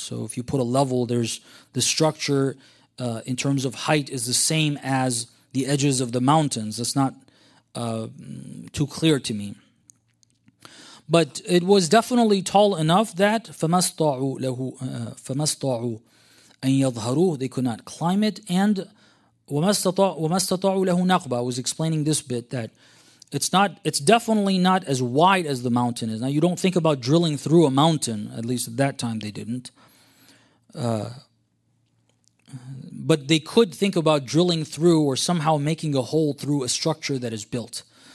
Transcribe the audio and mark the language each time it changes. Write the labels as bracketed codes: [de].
[en] So if you put a level, there's the structure in terms of height is the same as the edges of the mountains. That's not too clear to me. But it was definitely tall enough that [ar] فَمَا اسْطَاعُوا أَنْ يَظْهَرُوهُ. [en] They could not climb it. [ar] And وَمَا اسْتَطَاعُوا لَهُ نَقْبًا. [en] I was explaining this bit that it's definitely not as wide as the mountain is. Now, you don't think about drilling through a mountain. At least at that time, they didn't. But they could think about drilling through or somehow making a hole through a structure that is built.